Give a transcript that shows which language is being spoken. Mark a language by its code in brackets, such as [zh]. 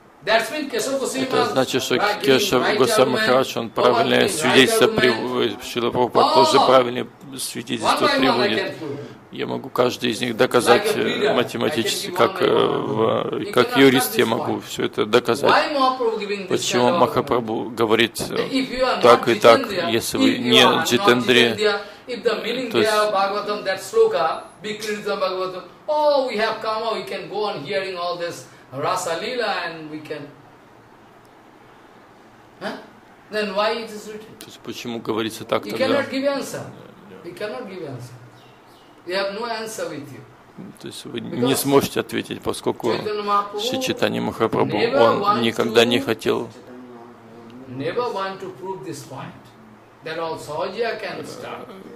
[ru] Это значит, что Кешав Госвами Махарадж, он правильное свидетельство приводит, Шрила Прабхупада тоже правильное свидетельство приводит. Я могу каждый из них доказать математически, как юрист я могу все это доказать. Почему Махапрабху говорит так и так, если вы не джитендри? [en] If the meaning there is Bhagavatam, that sloka, Bikrita Bhagavatam, oh, we have karma, we can go on hearing all this Rasa Leela and we can... Huh? Then why it is written? [ru] То есть, почему говорится так тогда? [en] We cannot give answer. We cannot give answer. We have no answer with you. [ru] То есть вы не сможете ответить, поскольку Шри Чайтанья Махапрабху, он никогда не хотел... [en] Never want to prove this point. That all sahajya can start.